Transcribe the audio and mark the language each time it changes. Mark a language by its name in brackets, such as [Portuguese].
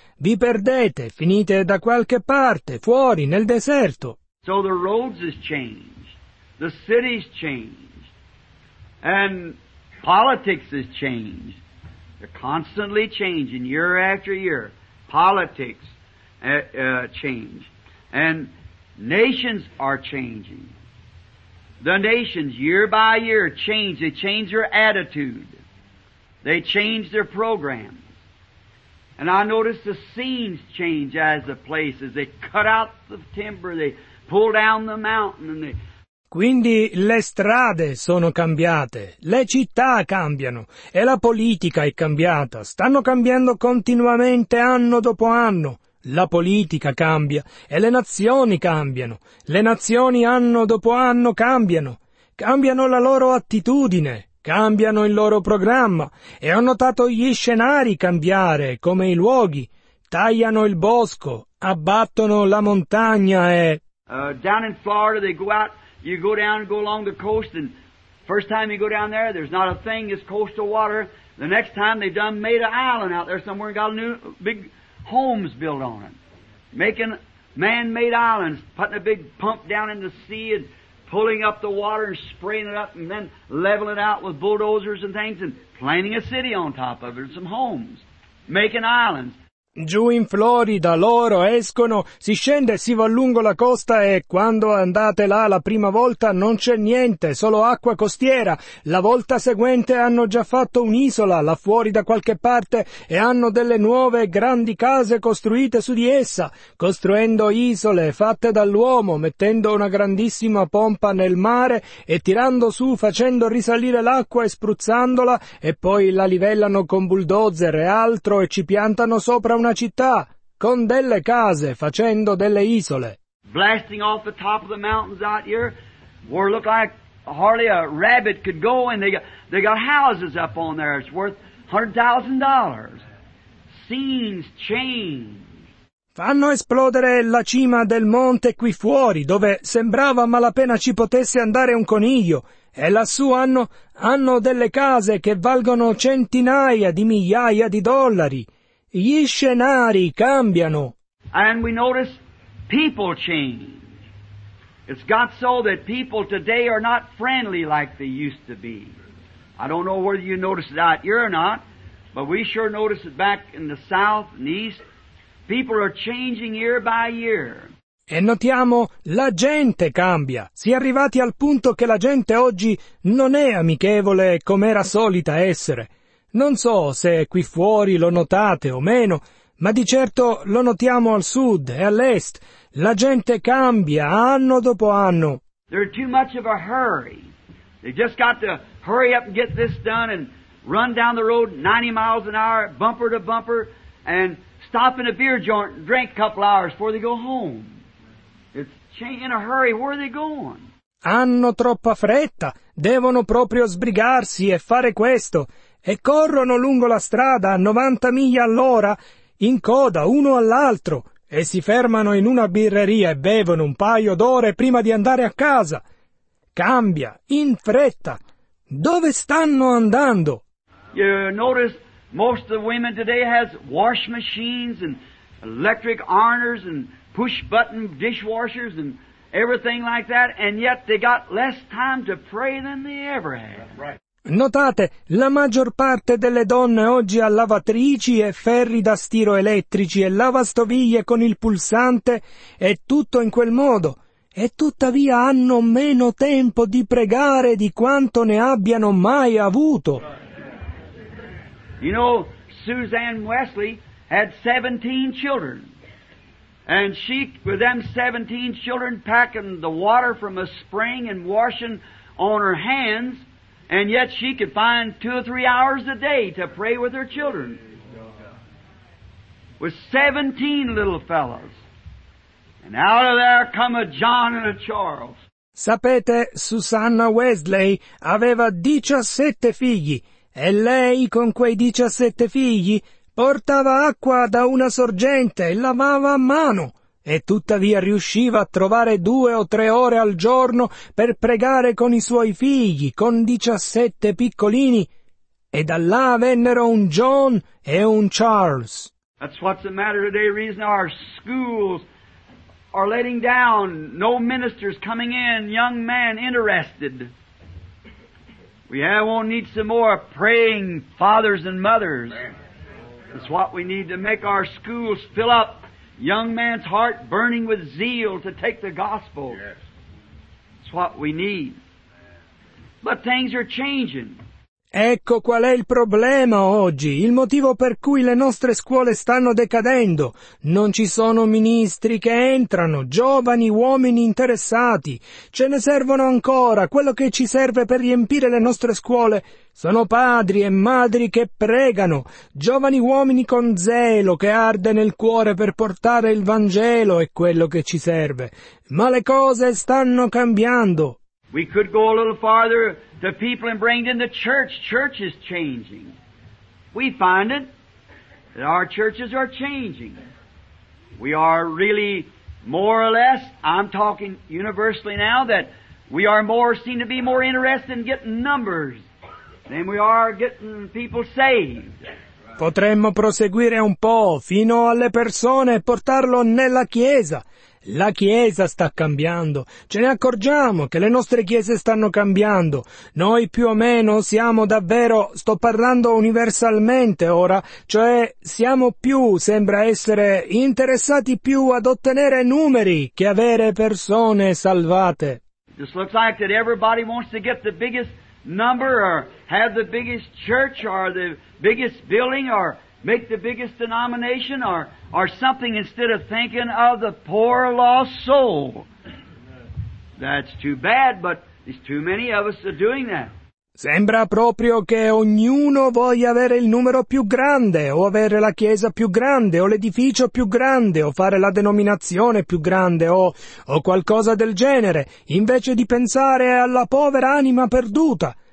[Italian] Vi perdete, finite da qualche parte, fuori, nel deserto. [English] So the roads has changed. The city's changed. And politics has changed. They're constantly changing year after year. Politics change. And nations are changing. The nations, year by year, change. They change their attitude. They change their programs. And I notice the scenes change as the places. They cut out the timber. They pull down the mountain. And they... [Italian] Quindi le strade sono cambiate, le città cambiano e la politica è cambiata. Stanno cambiando continuamente anno dopo anno. La politica cambia e le nazioni cambiano. Le nazioni anno dopo anno cambiano. Cambiano la loro attitudine, cambiano il loro programma e ho notato gli scenari cambiare, come i luoghi. Tagliano il bosco, abbattono la montagna e... [English] Down in Florida they go out... You go down and go along the coast, and first time you go down there, there's not a thing, it's coastal water. The next time, they've done made an island out there somewhere and got a new big homes built on it. Making man-made islands, putting a big pump down in the sea and pulling up the water and spraying it up and then leveling it out with bulldozers and things and planting a city on top of it and some homes, making islands. [Italian] Giù in Florida loro escono, si scende e si va lungo la costa e quando andate là la prima volta non c'è niente, solo acqua costiera. La volta seguente hanno già fatto un'isola là fuori da qualche parte e hanno delle nuove grandi case costruite su di essa, costruendo isole fatte dall'uomo, mettendo una grandissima pompa nel mare e tirando su, facendo risalire l'acqua e spruzzandola e poi la livellano con bulldozer e altro e ci piantano sopra una città con delle case facendo delle isole. [English] Blasting off the top of the mountains out here where it looked like hardly a rabbit could go, and they got houses up on there. It's worth $100,000. Scenes change. [Italian] Fanno esplodere la cima del monte qui fuori, dove sembrava malapena ci potesse andare un coniglio. E lassù hanno delle case che valgono centinaia di migliaia di dollari. Gli scenari cambiano. [English] And we notice people change. It's got so that people today are not friendly like they used to be. I don't know whether you notice that here or not, but we sure notice it back in the south and east. People are changing year by year. [Italian] E notiamo, la gente cambia. Si è arrivati al punto che la gente oggi non è amichevole come era solita essere. Non so se qui fuori lo notate o meno, ma di certo lo notiamo al sud e all'est. La gente cambia anno dopo anno. [English] They're too much of a hurry. They just got to hurry up and get this done and run down the road 90 miles an hour, bumper to bumper, and stop in a beer joint and drink a couple hours before they go home. In a hurry, where are they going? [Italian] Hanno troppa fretta, devono proprio sbrigarsi e fare questo, e corrono lungo la strada a 90 miglia all'ora, in coda uno all'altro, e si fermano in una birreria e bevono un paio d'ore prima di andare a casa. Cambia, in fretta. Dove stanno andando? [English] You notice most of the women today has wash machines and electric ironers and push button dishwashers and everything like that, and yet they got less time to pray than they ever had. Right. [Italian] Notate, la maggior parte delle donne oggi ha lavatrici e ferri da stiro elettrici e lavastoviglie con il pulsante e tutto in quel modo, e tuttavia hanno meno tempo di pregare di quanto ne abbiano mai avuto. [English] You know, Suzanne Wesley had 17 children. And she, with them 17 children, packing the water from a spring and washing on her hands, and yet she could find 2 or 3 hours a day to pray with her children. With 17 little fellows. And out of there come a John and a Charles. [Italian] Sapete, Susanna Wesley aveva 17 figli, e lei con quei 17 figli portava acqua da una sorgente e lavava a mano, e tuttavia riusciva a trovare 2 o 3 ore al giorno per pregare con i suoi figli, con 17 piccolini, e da là vennero un John e un Charles. [English] That's what's the matter today, reason our schools are letting down, no ministers coming in, young man interested. We won't need some more praying fathers and mothers. It's what we need to make our schools fill up, young man's heart burning with zeal to take the gospel. Yes. It's what we need. But things are changing. [Italian] Ecco qual è il problema oggi, il motivo per cui le nostre scuole stanno decadendo. Non ci sono ministri che entrano, giovani uomini interessati. Ce ne servono ancora. Quello che ci serve per riempire le nostre scuole sono padri e madri che pregano, giovani uomini con zelo che arde nel cuore per portare il Vangelo, è quello che ci serve. Ma le cose stanno cambiando. [English] We could go a little farther to people and bring in the church. Church is changing. We find it that our churches are changing. We are really more or less, I'm talking universally now, that we are more, seem to be more interested in getting numbers than we are getting people saved. [Italian] Potremmo proseguire un po' fino alle persone e portarlo nella chiesa. La Chiesa sta cambiando. Ce ne accorgiamo che le nostre chiese stanno cambiando. Noi più o meno siamo davvero, sto parlando universalmente ora, cioè siamo più, sembra essere, interessati più ad ottenere numeri che avere persone salvate. [English] Just looks like that everybody wants to get the biggest number or have the biggest church or the biggest building or make the biggest denomination or something instead of thinking of the poor lost soul. That's too bad, but there's too many of us are doing that. [Italian] Sembra proprio che ognuno voglia avere il numero più grande, o avere la chiesa più grande, o l'edificio più grande, o fare la denominazione più grande, o qualcosa del genere, invece di pensare alla povera anima perduta.